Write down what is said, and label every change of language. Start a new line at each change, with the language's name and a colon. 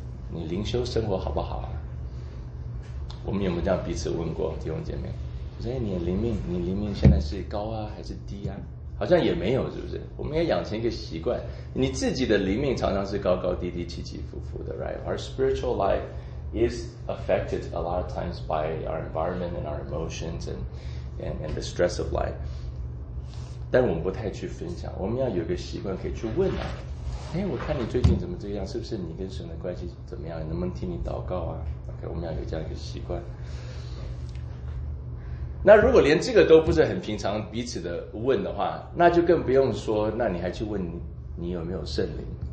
Chinese: 你灵修生活好不好啊？我们有没有这样彼此问过弟兄姐妹？我说，哎，你灵命现在是高啊还是低啊？好像也没有，是不是？我们要养成一个习惯，你自己的灵命常常是高高低低、起起伏伏的 ，right?
English: Our spiritual life is affected a lot of times by our environment and our emotions and the stress of life.
Chinese: 但我们不太去分享，我们要有个习惯可以去问啊。哎，我看你最近怎么这样？是不是你跟神的关系怎么样？能不能替你祷告啊 ？OK， 我们要有这样一个习惯。那如果连这个都不是很平常彼此的问的话，那就更不用说，那你还去问 你有没有圣灵？